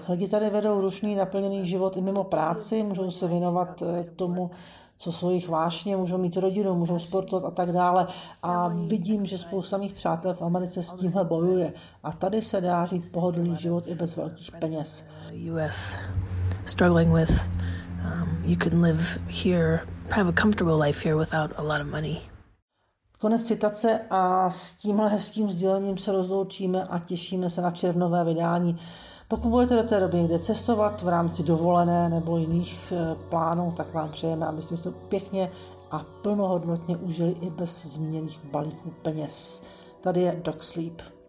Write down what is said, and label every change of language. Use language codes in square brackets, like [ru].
[cs] Lidi tady vedou rušný, naplněný život i mimo práci, můžou se věnovat tomu, co jsou jich vášně, můžou mít rodinu, můžou sportovat a tak dále. A vidím, že spousta mých přátel v Americe s tímhle bojuje. A tady se dá žít pohodlný život i bez velkých peněz. [en] US struggling with, you can live here, have a comfortable life here without a lot of money. [cs] Konec citace a s tímhle hezkým sdělením se rozloučíme a těšíme se na červnové vydání. Pokud budete do té doby někde cestovat v rámci dovolené nebo jiných plánů, tak vám přejeme, abyste si to pěkně a plnohodnotně užili i bez zmíněných balíků peněz. Tady je Doc Sleep.